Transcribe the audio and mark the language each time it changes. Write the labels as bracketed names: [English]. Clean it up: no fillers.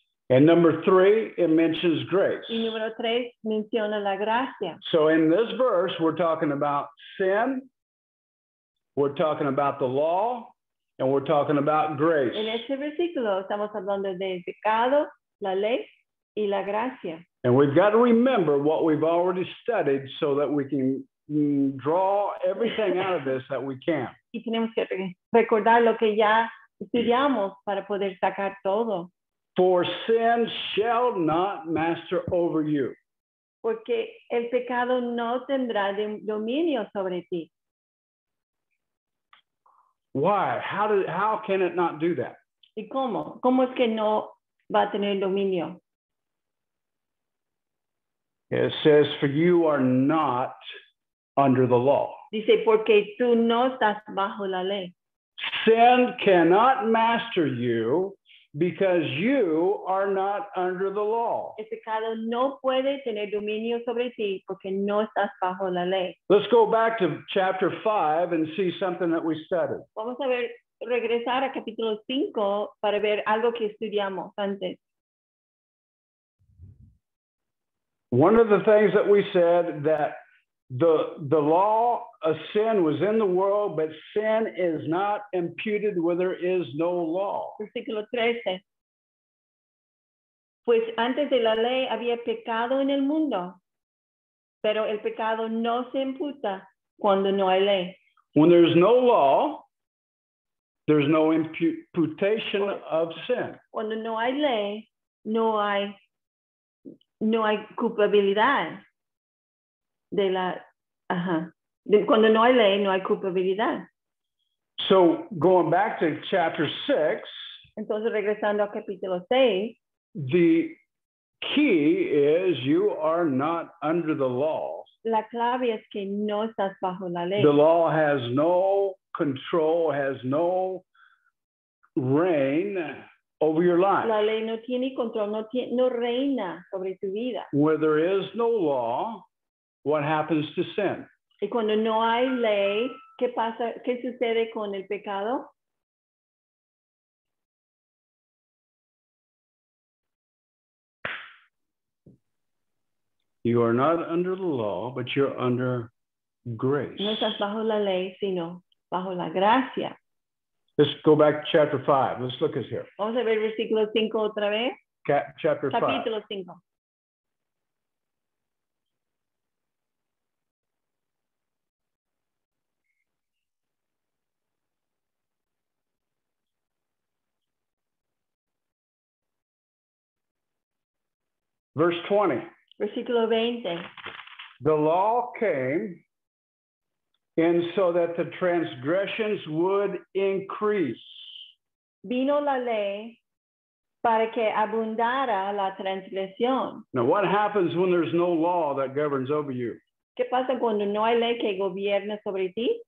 [English] And number three, it mentions grace. [Spanish] Y número tres, menciona la gracia. [English] So in this verse, we're talking about sin, we're talking about the law, and we're talking about grace. [Spanish] En este versículo, estamos hablando de pecado, la ley, y la gracia. [English] And we've got to remember what we've already studied so that we can draw everything out of this that we can. [Spanish] Y tenemos que recordar lo que ya estudiamos para poder sacar todo. [English] For sin shall not master over you. [Spanish] Porque el pecado no tendrá dominio sobre ti. [English] Why? How can it not do that? [Spanish] ¿Y cómo? ¿Cómo es que no va a tener dominio? [English] It says, for you are not under the law. [Spanish] Dice, porque tú no estás bajo la ley. [English] Sin cannot master you because you are not under the law. [Spanish] El pecado no puede tener dominio sobre ti porque no estás bajo la ley. [English] Let's go back to chapter 5 and see something that we studied. [Spanish] Vamos a ver, regresar a capítulo 5 para ver algo que estudiamos antes. [English] One of the things that we said that the law of sin was in the world, but sin is not imputed where there is no law. [Spanish] Versículo 13. Pues antes de la ley había pecado en el mundo, pero el pecado no se imputa cuando no hay ley. [English] When there's no law, there's no imputation of sin. [Spanish] Cuando no hay ley, no hay culpabilidad de la cuando no hay ley, no hay culpabilidad. [English] So going back to chapter 6, [Spanish] entonces regresando al capítulo 6, [English] the key is you are not under the law. [Spanish] La clave es que no estás bajo la ley. [English] The law has no control, has no reign over your life. [Spanish] La ley no tiene control, no reina sobre tu vida. [English] Where there is no law, what happens to sin? [Spanish] Y cuando no hay ley, ¿qué pasa? ¿Qué sucede con el pecado? [English] You are not under the law, but you're under grace. [Spanish] No estás bajo la ley, sino bajo la gracia. [English] Let's go back to chapter 5. Let's look at here. [Spanish] Vamos a ver versículo 5 otra vez. [English] Chapter 5. [Spanish] Capítulo 5. [English] Verse 20. [Spanish] Versículo 20. [English] The law came in so that the transgressions would increase. [Spanish] Vino la ley para que abundara la transgresión. [English] Now, what happens when there's no law that governs over you? [Spanish] ¿Qué pasa cuando no hay ley que gobierne sobre ti?